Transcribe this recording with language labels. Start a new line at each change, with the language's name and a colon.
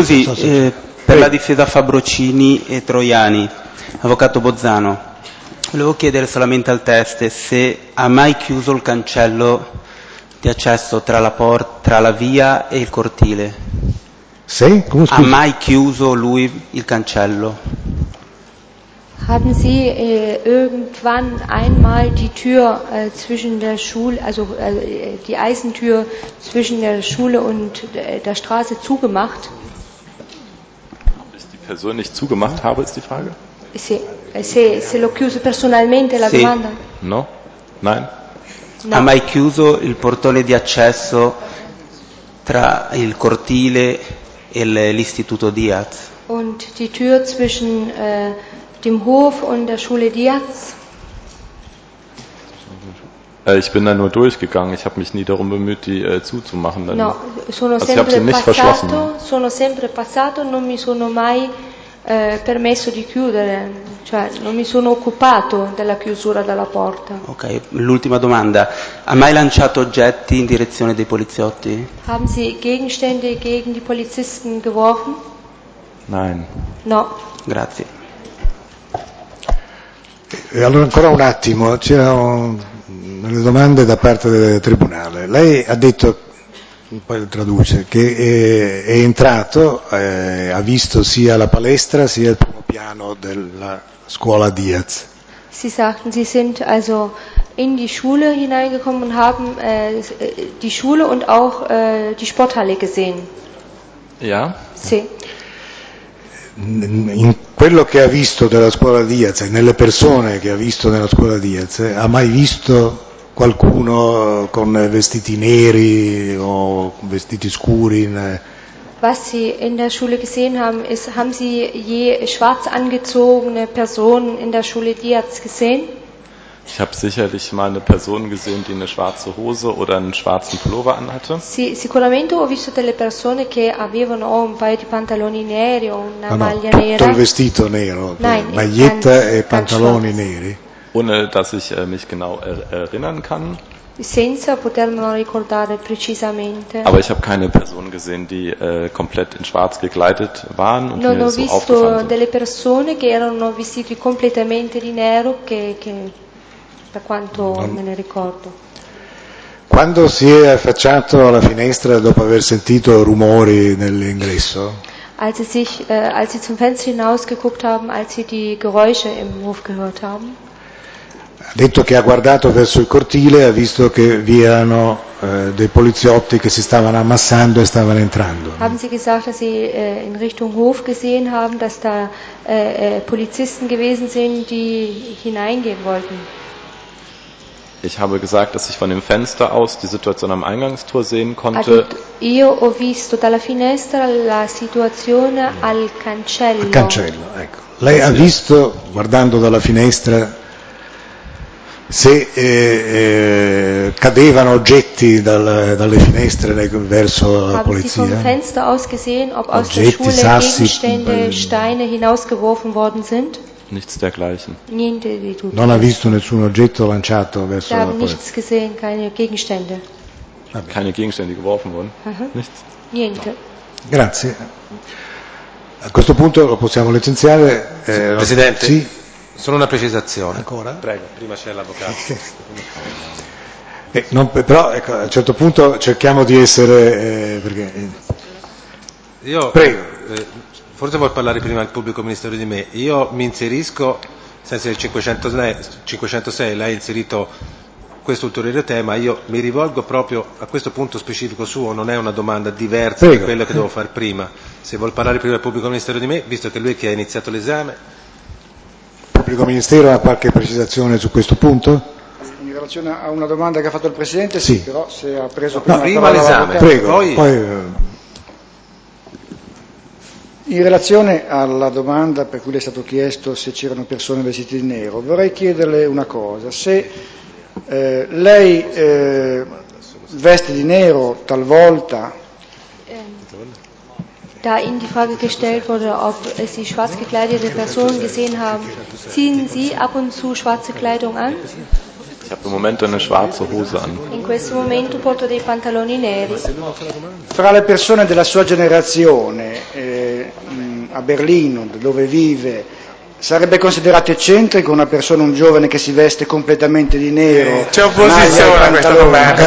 Italian: Mi scusi, per la difesa Fabrocini e Troiani, avvocato Bozzano, volevo chiedere solamente al test se ha mai chiuso il cancello di accesso tra la tra la via e il cortile. Sì? Come ha mai chiuso lui il cancello?
German: Haben Sie irgendwann einmal die Tür zwischen der Schule, also die Eisentür zwischen der Schule und der Straße zugemacht? Ob ich die Person nicht zugemacht habe, ist die Frage.
Italian: Se l'ho chiuso personalmente, la domanda? No,
German: nein.
Italian: No. Ha mai chiuso il portone di accesso tra il cortile e l'istituto Diaz?
German: Und die Tür zwischen dem Hof und der Schule Diaz? Ich bin da nur durchgegangen. Ich habe mich nie darum bemüht, die zuzumachen.
Italian: No, sono
German: also
Italian: sempre passato. Sono sempre passato. Non mi sono mai permesso di chiudere. Cioè, non mi sono occupato della chiusura della porta. Ok. L'ultima domanda. Ha mai lanciato oggetti in direzione dei poliziotti?
German: Haben Sie Gegenstände gegen die Polizisten geworfen? Nein.
Italian: No. Grazie. E allora ancora un attimo, c'erano delle domande da parte del Tribunale. Lei ha detto, poi traduce, che è entrato, ha visto sia la palestra sia il primo piano della scuola Diaz.
German: Sie sagten, Sie sind also in die Schule hineingekommen und haben die Schule und auch die Sporthalle gesehen. Ja.
Italian: Sì. In quello che ha visto della scuola Diaz e nelle persone che ha visto nella scuola Diaz, ha mai visto qualcuno con vestiti neri o vestiti scuri?
German: Was Sie in der Schule gesehen haben, ist, haben Sie je schwarz angezogene Personen in der Schule Diaz gesehen? Ich habe sicherlich mal eine Person gesehen, die eine schwarze Hose oder einen schwarzen Pullover anhatte.
Italian: Sì, sicuramente ho visto delle persone che avevano un paio di pantaloni neri o una maglia tutto nera. Tutto il vestito nero,
German: nein,
Italian: maglietta e pantaloni neri.
German: Ohne dass ich mich genau erinnern kann.
Italian: Senza potermelo ricordare precisamente.
German: Aber ich habe keine Person gesehen, die komplett in schwarz gekleidet waren und
Italian: non
German: mir
Italian: ho visto
German: so aufgefallen sind.
Italian: Delle persone che erano vestiti completamente di nero che da quanto me ne ricordo. Quando si è affacciato alla finestra dopo aver sentito rumori nell'ingresso?
German: Als sie zum Fenster hinausgeguckt haben, als sie die Geräusche im Hof gehört haben.
Italian: Ha detto che ha guardato verso il cortile e ha visto che vi erano dei poliziotti che si stavano ammassando e stavano entrando.
German: Haben Sie gesagt, dass Sie in Richtung Hof gesehen haben, dass da Polizisten gewesen sind, die hineingehen wollten? Ich habe gesagt, dass ich von dem Fenster aus die Situation am Eingangstor sehen konnte.
Italian: Io ho visto dalla finestra la situazione al cancello. Al cancello, ecco. Lei ha visto, guardando dalla finestra, se cadevano oggetti dalle finestre verso la polizia?
German: Habe sie vom Fenster aus gesehen, ob aus
Italian: oggetti,
German: der Schule
Italian: sassi,
German: Gegenstände, Steine hinausgeworfen worden sind? Nichts dergleichen.
Italian: Niente di tutto. Non ha visto nessun oggetto lanciato verso la polizia.
German: Nichts gesehen, keine Gegenstände. Keine Gegenstände geworfen wurden? Nichts?
Italian: Niente. No. Grazie. A questo punto lo possiamo licenziare. Presidente, sì? Solo una precisazione. Ancora? Prego, prima c'è l'avvocato. non, però ecco, a un certo punto cerchiamo di essere... perché... Io... Prego. Forse vuol parlare prima il pubblico ministero di me. Io mi inserisco, senza il 506, lei ha inserito questo ulteriore tema, io mi rivolgo proprio a questo punto specifico suo, non è una domanda diversa da quella che devo fare prima. Se vuol parlare prima il pubblico ministero di me, visto che lui è chi ha iniziato l'esame. Pubblico ministero ha qualche precisazione su questo punto? Mi in relazione a una domanda che ha fatto il Presidente, sì, però se ha preso prima, no, prima l'esame, la prego, poi... In relazione alla domanda per cui le è stato chiesto se c'erano persone vestite di nero, vorrei chiederle una cosa. Se lei veste di nero talvolta...
German: Da Ihnen die Frage gestellt wurde, ob Sie schwarz gekleidete Personen gesehen haben, ziehen Sie ab und zu schwarze Kleidung an? Ich habe im Moment eine schwarze Hose an.
Italian: In questo momento porto dei pantaloni neri. Fra le persone della sua generazione, a Berlino, dove vive, sarebbe considerato eccentrico una persona, un giovane che si veste completamente di nero? C'è opposizione a questa domanda.